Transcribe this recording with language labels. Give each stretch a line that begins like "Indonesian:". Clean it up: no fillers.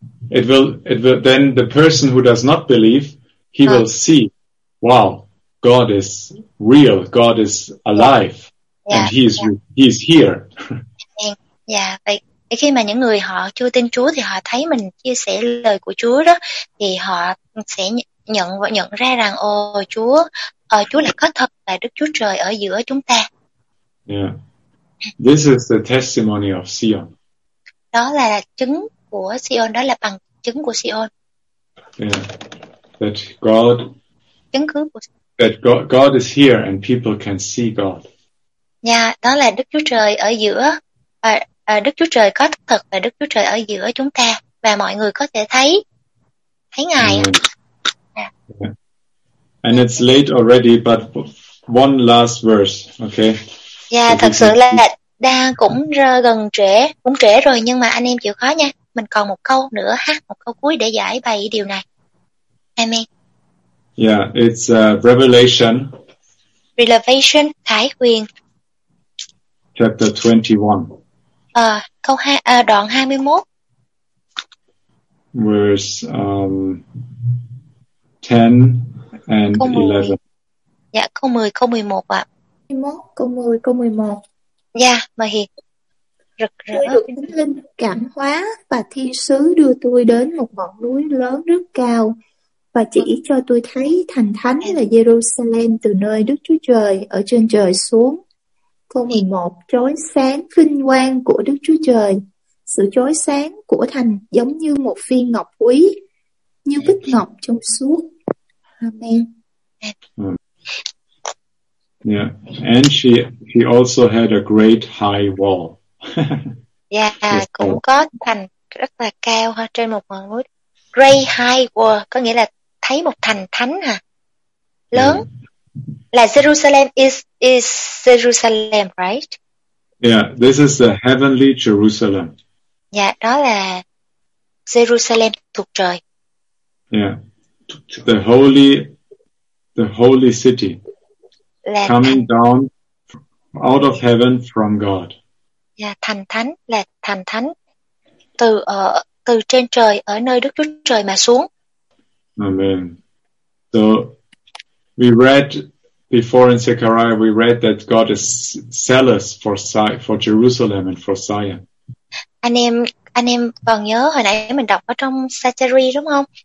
English: it will then the person who does not believe, he will see, wow, God is real, God is alive, and he's here.
Vietnamese: Vậy khi mà những người họ chưa tin Chúa thì họ thấy mình chia sẻ lời của Chúa đó, thì họ sẽ nhận ra rằng ồ Chúa, Chúa là có thật, là Đức Chúa Trời ở giữa chúng ta.
English: Yeah. This is the testimony of Sion.
Vietnamese: Đó là chứng của Sion, đó là bằng chứng của Sion.
English: Yeah. That God,
Vietnamese: chứng cứ của Sion.
English: That God is here and people can see God.
Vietnamese: Yeah, đó là Đức Chúa Trời ở giữa. Đức Chúa Trời có thật và Đức Chúa Trời ở giữa chúng ta và mọi người có thể thấy Ngài. Yeah.
English: And it's late already, but one last verse, okay?
Vietnamese: Yeah, so thật sự là đang cũng gần trễ rồi, nhưng mà anh em chịu khó nha. Mình còn một câu nữa ha, một câu cuối để giải bày điều này. Amen.
English: Yeah, it's Revelation.
Vietnamese: Revelation, Thái Huyền.
English: Chapter 21.
Vietnamese: Đoạn 21.
English: Verse 10 and 11.
Vietnamese: Dạ, câu 10, câu 11 ạ. 21, câu 10, câu 11. Dạ, mời Hiền. Rực rỡ. Tôi được Thánh Linh cảm hóa và Thiên Sứ đưa tôi đến một ngọn núi lớn rất cao và chỉ cho tôi thấy thành thánh là Jerusalem từ nơi Đức Chúa Trời ở trên trời xuống. Câu 11, chói sáng vinh quang của Đức Chúa Trời. Sự chói sáng của thành giống như một viên ngọc quý, như bích ngọc trong suốt. Amen.
English: Yeah, and she also had a great high wall.
Vietnamese: Yeah, cũng có thành rất là cao ha, trên một ngọn núi.
English: Great high wall
Vietnamese: có nghĩa là thấy một thành thánh hả? Lớn.
English: Yeah. Là Jerusalem is Jerusalem, right? Yeah, this is the heavenly Jerusalem.
Vietnamese: Yeah, đó là Jerusalem thuộc trời.
English: Yeah, the holy city
Vietnamese: là
English: coming down out of heaven from God.
Vietnamese: Yeah, thành thánh là thành thánh từ trên trời ở nơi Đức Chúa Trời mà xuống. Amen.
English: So we read before in Zechariah, we read that God is zealous for Jerusalem and for Zion.
Vietnamese: Anh em còn nhớ hồi nãy mình đọc ở trong Zechariah đúng không?